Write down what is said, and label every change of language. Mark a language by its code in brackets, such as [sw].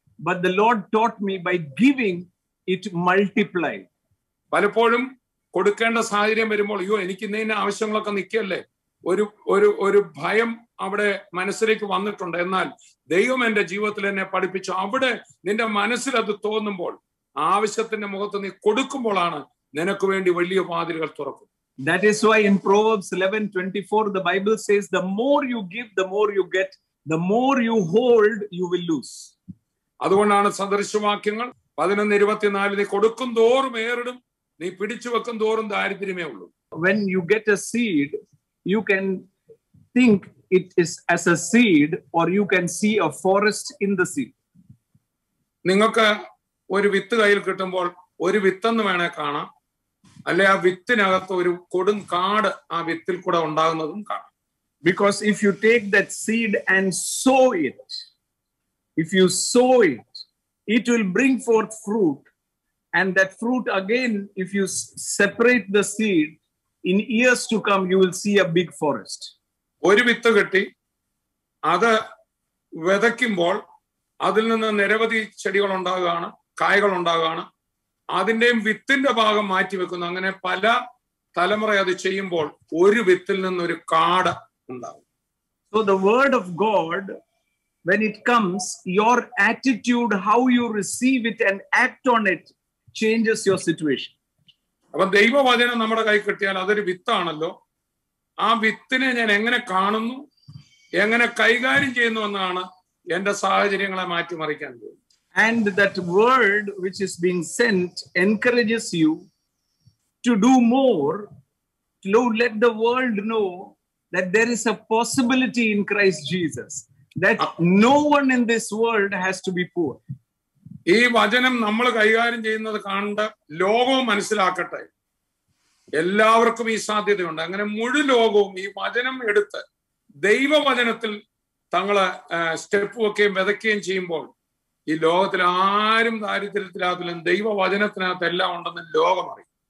[en] But the Lord taught me by giving, it multiplied. [ml] പലപ്പോഴും കൊടുക്കേണ്ട സാഹചര്യം വരുമ്പോൾ അയ്യോ എനിക്ക് ഇന്നേ ആവശ്യങ്ങളൊക്കെ നിൽക്കല്ലേ ഒരു ഒരു ഒരു ഭയം അവിടെ മനസ്സിലേക്ക് വന്നിട്ടുണ്ട് എന്നാൽ ദൈവം എന്റെ ജീവിതത്തിൽ എന്നെ പഠിപ്പിച്ചു അവിടെ നിന്റെ മനസ്സിൽ അത് തോന്നുമ്പോൾ ആവശ്യത്തിന്റെ മുഖത്ത് നീ കൊടുക്കുമ്പോഴാണ് നിനക്ക് വേണ്ടി വലിയ വാതിലുകൾ തുറക്കും [en] That is why in Proverbs 11:24 the Bible says the more you give the more you get The more you hold, you will lose. [ml] അതുകൊണ്ടാണ് സദൃശവാക്യങ്ങൾ 11:24 നീ കൊടുക്കും തോറും ഏറിടും, നീ പിടിച്ചു വെക്കും തോറും ദാരിദ്ര്യമേ ഉള്ളൂ. [en] When you get a seed, you can think it is as a seed or you can see a forest in the seed. [ml] നിങ്ങൾക്ക് ഒരു വിത്ത് കയ്യിൽ കിട്ടുമ്പോൾ ഒരു വിത്തെന്ന് വേണേ കാണാം, അല്ലെ ആ വിത്തിനകത്ത് ഒരു കൊടും കാട് ആ വിത്തിൽ കൂടെ ഉണ്ടാകുന്നതും കാണാം. [en] Because if you take that seed and sow it, if you sow it, it will bring forth fruit, and that fruit again, if you separate the seed, in years to come you will see a big forest. [ml] ഒരു വിത്ത് കിട്ടി, അത് വിതയ്ക്കുമ്പോൾ അതിൽ നിന്ന് നിരവധി ചെടികൾ ഉണ്ടാകുകയാണ്, കായകൾ ഉണ്ടാകുകയാണ്, അതിന്റെയും വിത്തിന്റെ ഭാഗം മാറ്റി വെക്കുന്നു. അങ്ങനെ പല തലമുറ അത് ചെയ്യുമ്പോൾ ഒരു വിത്തിൽ നിന്നൊരു കാട് ഉണ്ടാകും. [en] So the word of God, when it comes, your attitude, how you receive it and act on it, changes your situation. [ml] അപ്പൊ ദൈവവചനം നമ്മുടെ കൈ കിട്ടിയാൽ അതൊരു വിത്താണല്ലോ, ആ വിത്തിനെ ഞാൻ എങ്ങനെ കാണുന്നു, എങ്ങനെ കൈകാര്യം ചെയ്യുന്നു എന്നാണ് എന്റെ സാഹചര്യങ്ങളെ മാറ്റിമറിക്കാൻ പോകുന്നത്. [en] And that word which is being sent encourages you to do more, to let the world know that there is a possibility in Christ Jesus, that no one in this world has to be poor. [ml] ഈ വചനം നമ്മൾ കൈകാര്യം ചെയ്യുന്നത് കണ്ട് ലോകവും മനസ്സിലാക്കട്ടെ, എല്ലാവർക്കും ഈ സാധ്യതയുണ്ട്. അങ്ങനെ മുഴു ലോകവും ഈ വചനം എടുത്ത് ദൈവവചനത്തിൽ തങ്ങളെ സ്റ്റെപ്പ് വെക്കുകയും വിതയ്ക്കുകയും ചെയ്യുമ്പോൾ ഈ ലോകത്തിൽ ആരും ദാരിദ്ര്യത്തിലാകില്ലെന്നും ദൈവവചനത്തിനകത്ത് എല്ലാം ഉണ്ടെന്ന് ലോകം അറിയും.